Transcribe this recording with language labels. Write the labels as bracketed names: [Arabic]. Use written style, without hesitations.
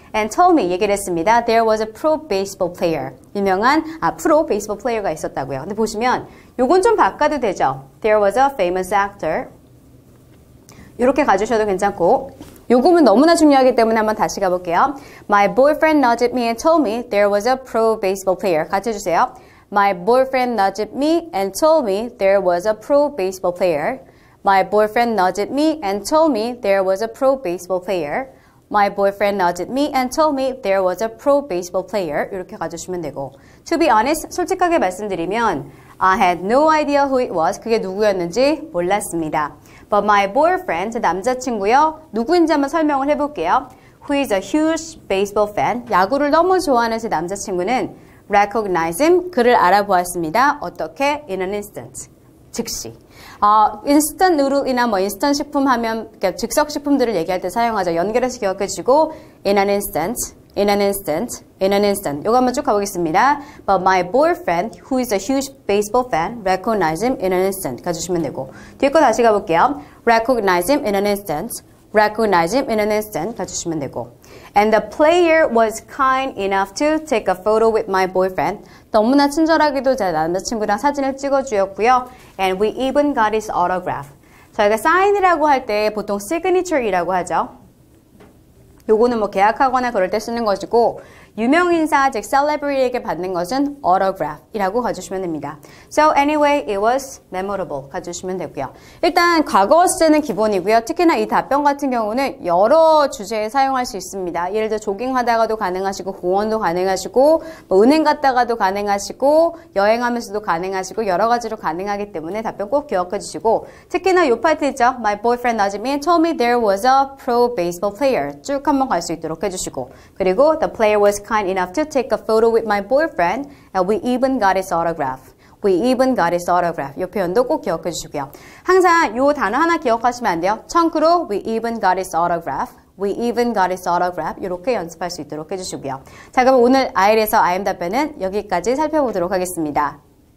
[English] And told me, [Korean] 얘기를 했습니다. [English] There was a pro baseball player. [Korean] 유명한 프로 베이스볼 플레이어가 있었다고요. 근데 보시면 요건 좀 바꿔도 되죠. [English] There was a famous actor. [Korean] 이렇게 가주셔도 괜찮고 요거는 너무나 중요하기 때문에 한번 다시 가볼게요. [English] My boyfriend nudged me and told me there was a pro baseball player. [Korean] 같이 해주세요. [English] My boyfriend nudged me and told me there was a pro baseball player. My boyfriend nudged me and told me there was a pro baseball player. My boyfriend nudged me and told me there was a pro baseball player. [Korean] 이렇게 가주시면 되고 [English] To be honest, 솔직하게 말씀드리면 I had no idea who it was. [Korean] 그게 누구였는지 몰랐습니다. [English] But my boyfriend, [Korean] 제 남자친구요. 누구인지 한번 설명을 해볼게요. [English] Who is a huge baseball fan. [Korean] 야구를 너무 좋아하는 제 남자친구는 [English] recognize him. [Korean] 그를 알아보았습니다. 어떻게? [English] In an instant. [Korean] 즉시. 인스턴트 누룰이나 뭐 인스턴트 식품 하면 즉석 식품들을 얘기할 때 사용하죠. 연결해서 기억해 주시고 [English] in an instant In an instant, in an instant. [Korean] 요거 한번 쭉 가보겠습니다. [English] But my boyfriend, who is a huge baseball fan, recognize him in an instant. [Korean] 가주시면 되고. 뒤에 거 다시 가볼게요. [English] Recognize him in an instant. Recognize him in an instant. [Korean] 가주시면 되고. [English] And the player was kind enough to take a photo with my boyfriend. [Korean] 너무나 친절하기도 제 남자친구랑 사진을 찍어주었고요. [English] And we even got his autograph. [Korean] 저희가 sign이라고 할 때 보통 signature이라고 하죠. 요거는 뭐 계약하거나 그럴 때 쓰는 것이고 유명인사 즉 셀레브리에게 받는 것은 autograph이라고 가주시면 됩니다. [English] So anyway, it was memorable [Korean] 가주시면 되고요. 일단 과거시제는 기본이고요. 특히나 이 답변 같은 경우는 여러 주제에 사용할 수 있습니다. 예를 들어 조깅하다가도 가능하시고 공원도 가능하시고 뭐 은행 갔다가도 가능하시고 여행하면서도 가능하시고 여러 가지로 가능하기 때문에 답변 꼭 기억해 주시고 특히나 요 파트 있죠. [English] My boyfriend Najimi told me there was a pro baseball player. [Korean] 쭉 한번 갈 수 있도록 해주시고 그리고 [English] the player was kind enough to take a photo with my boyfriend and we even got his autograph. We even got his autograph. [Korean] 이 표현도 꼭 기억해 주시고요. 항상 이 단어 하나 기억하시면 안 돼요. 청크로 [English] we even got his autograph. We even got his autograph. [Korean] 이렇게 연습할 수 있도록 해주시고요. 자, 그럼 오늘 IELTS에서 IM 답변은 여기까지 살펴보도록 하겠습니다.